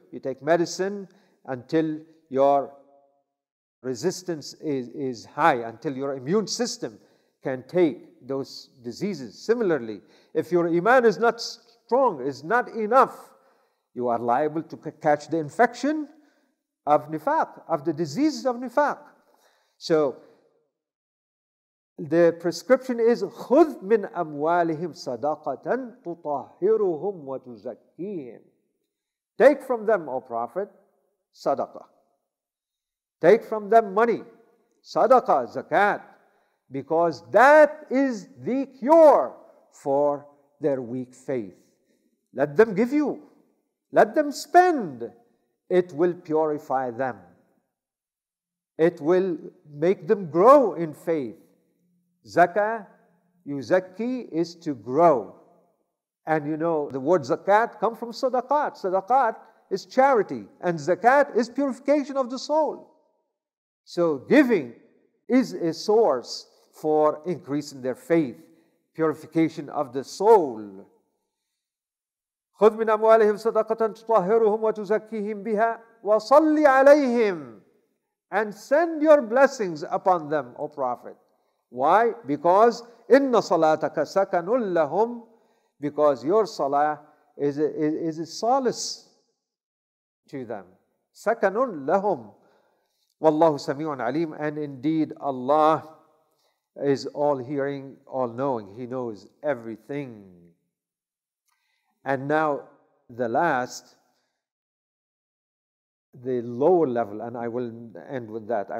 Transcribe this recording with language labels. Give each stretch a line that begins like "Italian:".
English: You take medicine until your resistance is high, until your immune system can take those diseases. Similarly, if your iman is not strong, is not enough, you are liable to catch the infection of nifaq, of the diseases of nifaq. So the prescription is
Arabic: خُذْ مِنْ أَمْوَالِهِمْ صَدَقَةً تُطَهِّرُهُمْ وَتُزَكِّيهِمْ.
English: Take from them, O Prophet, sadaqah. Take from them money, sadaqah, zakat, because that is the cure for their weak faith. Let them give you. Let them spend. It will purify them. It will make them grow in faith. Zakah, yuzakki, is to grow. And you know, the word zakat comes from sadaqat. Sadaqat is charity. And zakat is purification of the soul. So giving is a source for increasing their faith, purification of the soul.
Arabic: خُذْ مِنْ أَمْوَالِهِمْ صَدَقَةً تُطَهِّرُهُمْ وَتُزَكِّيهِمْ بِهَا وَصَلِّ عَلَيْهِمْ.
English: And send your blessings upon them, O Prophet. Why? Because
Arabic: إِنَّ صَلَاتَكَ سَكَنٌ لَهُمْ.
English: Because your salah is a solace to them.
Arabic: سَكَنٌ لَهُمْ. وَاللَّهُ سَمِيعٌ عَلِيمٌ.
English: And indeed Allah is all-hearing, all-knowing. He knows everything. And now the last, the lower level, and I will end with that.